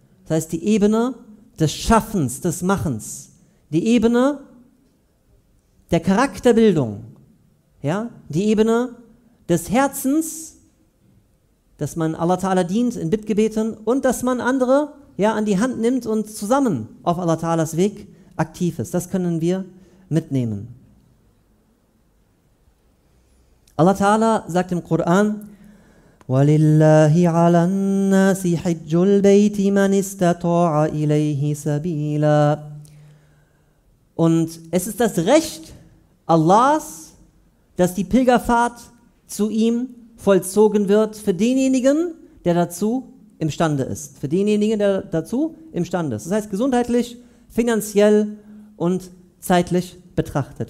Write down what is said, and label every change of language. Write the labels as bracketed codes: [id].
[de] Das heißt, die Ebene des Schaffens, des Machens, die Ebene der Charakterbildung, ja, die Ebene des Herzens, dass man Allah Ta'ala dient in Bittgebeten und dass man andere an die Hand nimmt und zusammen auf Allah Ta'alas Weg aktiv ist. Das können wir mitnehmen. Allah Ta'ala sagt im Koran: [ar] وَلِلَّهِ عَلَى النَّاسِ حِجُّ الْبَيْتِ مَنِ اسْتَطَاعَ إِلَيْهِ سَبِيلًا. [de] Und es ist das Recht Allahs, dass die Pilgerfahrt zu ihm vollzogen wird für denjenigen, der dazu imstande ist. Für denjenigen, der dazu imstande ist. Das heißt gesundheitlich, finanziell und zeitlich betrachtet.